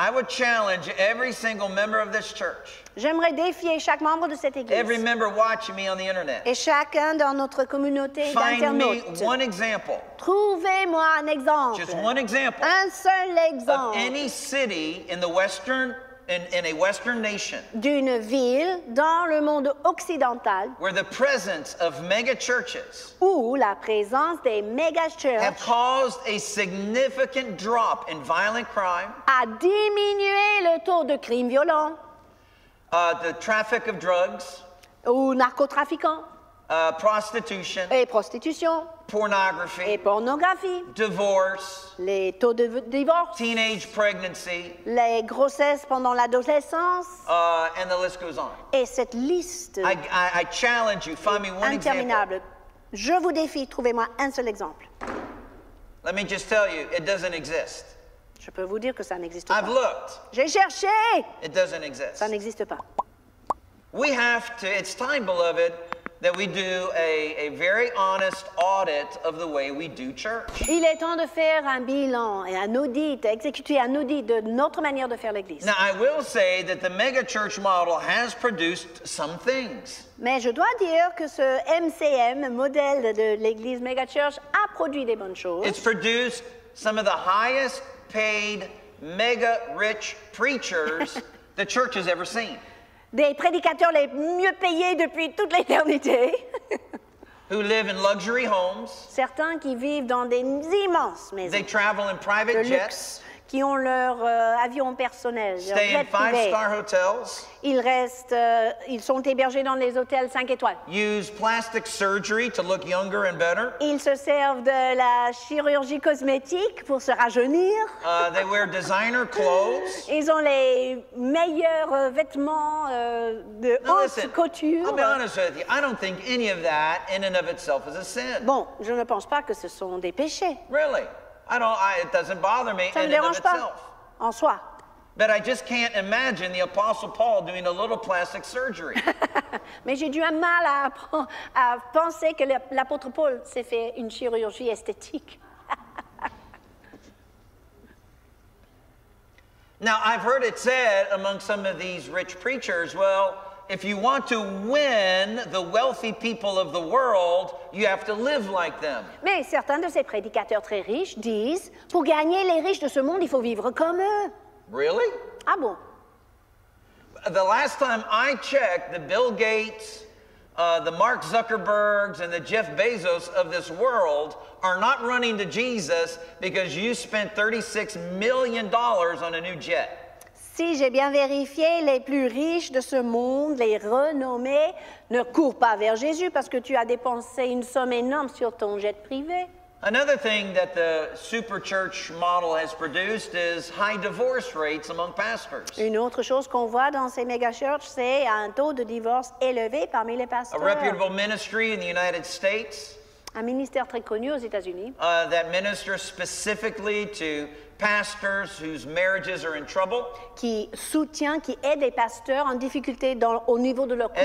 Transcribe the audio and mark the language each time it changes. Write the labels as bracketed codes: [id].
[en] I would challenge every single member of this church. [fr] J'aimerais défier chaque membre de cette église. [en] Every member watching me on the internet. [fr] Et chacun dans notre communauté d'internautes. [en] Find me one example. [fr] Trouvez-moi un exemple. [en] Just one example. [fr] Un seul exemple. [en] Of any city in the western in a Western nation, [fr] d'une ville dans le monde occidental, [en] where the presence of mega churches, [fr] où la présence des mega churches, [en] have caused a significant drop in violent crime, [fr] a diminué le taux de crimes violents, [en] the traffic of drugs, [fr] ou narcotrafiquants, [en] prostitution, [fr] et prostitution, [en] pornography, [fr] et pornographie, [en] divorce, [fr] les taux de divorce, [en] teenage pregnancy, [fr] les grossesses pendant l'adolescence, [en] and the list goes on. [fr] Et cette liste [en] I challenge you, find me one [fr] interminable. [en] Example. [fr] Je vous défie, trouvez-moi un seul exemple. [en] Let me just tell you, it doesn't exist. [fr] Je peux vous dire que ça n'existe [en] I've [fr] pas. [en] I've looked. [fr] J'ai cherché. [en] It doesn't exist. [fr] Ça n'existe pas. [en] We have to, it's time, beloved, that we do a very honest audit of the way we do church. [fr] Il est temps de faire un bilan et un audit, exécuter un audit de notre manière de faire l'église. [en] Now I will say that the mega church model has produced some things. [fr] Mais je dois dire que ce MCM, modèle de l'église mega church, a produit des bonnes choses. [en] It's produced some of the highest paid mega rich preachers the church has ever seen. [fr] Des prédicateurs les mieux payés depuis toute l'éternité. [en] Who live in luxury homes. [fr] Certains qui vivent dans des immenses maisons. [en] They travel in private jets. [fr] Qui ont leur avion personnel, [en] stay [fr] leur jet [en] in five-star hotels. [fr] Ils restent, ils sont hébergés dans les hôtels 5 étoiles. [en] Use plastic surgery to look younger and better. [fr] Ils se servent de la chirurgie cosmétique pour se rajeunir. [en] They wear designer clothes. [fr] Ils ont les meilleurs vêtements de haute couture. [en] I'll be honest with you. I don't think any of that in and of itself is a sin. [fr] Bon, je ne pense pas que ce sont des péchés. [en] Really? It doesn't bother me in and of itself. [fr] En soi. [en] But I just can't imagine the Apostle Paul doing a little plastic surgery. [fr] Mais j'ai du mal à penser que l'apôtre Paul s'est fait une chirurgie esthétique. [en] Now, I've heard it said among some of these rich preachers, well, if you want to win the wealthy people of the world, you have to live like them. [fr] Mais certains de ces prédicateurs très riches disent, pour gagner les riches de ce monde, il faut vivre comme eux. [en] Really? [fr] Ah bon? [en] The last time I checked, the Bill Gates, the Mark Zuckerbergs, and the Jeff Bezos of this world are not running to Jesus because you spent $36 million on a new jet. [fr] Si j'ai bien vérifié, les plus riches de ce monde, les renommés, ne courent pas vers Jésus parce que tu as dépensé une somme énorme sur ton jet privé. [en] Another thing that the super church model has produced is high divorce rates among pastors. [fr] Une autre chose qu'on voit dans ces méga churches, c'est un taux de divorce élevé parmi les pasteurs. [en] A reputable ministry in the United States. [fr] Un ministère très connu aux États-Unis. [en] That ministers specifically to pastors whose marriages are in trouble. [fr] Qui soutient, qui aide les pasteurs en difficulté dans, au niveau de leur couple.